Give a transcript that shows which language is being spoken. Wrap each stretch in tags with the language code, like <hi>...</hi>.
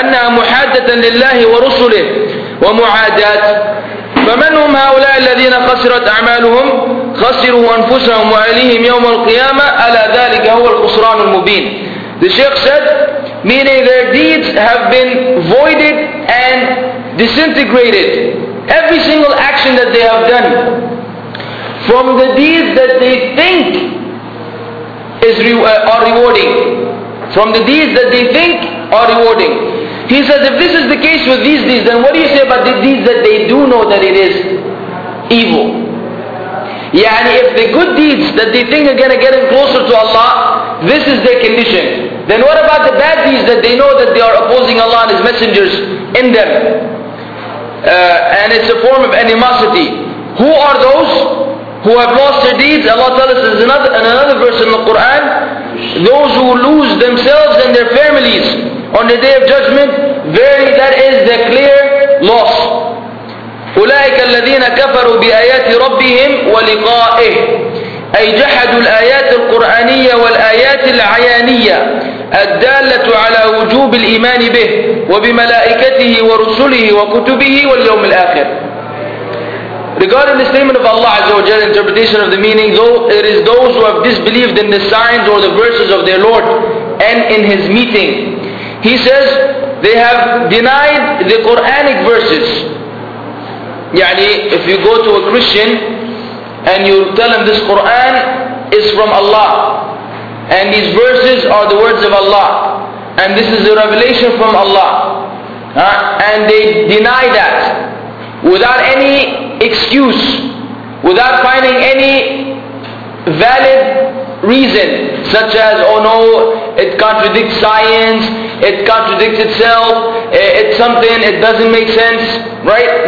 <ar>محادة لله ورسله ومعادات فمن هم هؤلاء الذين خسرت أعمالهم خسروا أنفسهم وأهليهم يوم القيامة ألا ذلك هو الخسران المبين.</ar> <en>The Shaykh said, meaning their deeds have been voided and disintegrated. Every single action that they have done, from the deeds that they think are rewarding. From the deeds that they think are rewarding. He says, if this is the case with these deeds, then what do you say about the deeds that they do know that it is evil? Yani, if the good deeds that they think are going to get them closer to Allah, this is their condition. Then what about the bad deeds that they know that they are opposing Allah and His messengers in them? And it's a form of animosity. Who are those who have lost their deeds? Allah tells us in another verse in the Quran, those who lose themselves and their families on the Day of Judgment, verily that is their clear loss.</en> <ar>أولئك الذين كفروا بآيات ربهم ولقائه. أي جحدوا الآيات القرآنية والآيات العيانية الدالة على وجوب الإيمان به وبملائكته ورسله وكتبه واليوم الآخر.</ar> <en>Regarding the statement of Allah Azza wa Jalla, interpretation of the meaning, though it is those who have disbelieved in the signs or the verses of their Lord and in His meeting. He says, they have denied the Quranic verses. Yani, if you go to a Christian and you tell him this Quran is from Allah and these verses are the words of Allah and this is the revelation from Allah, and they deny that without any excuse, without finding any valid reason, such as, oh no, it contradicts science, it contradicts itself, it's something, it doesn't make sense, right?</en>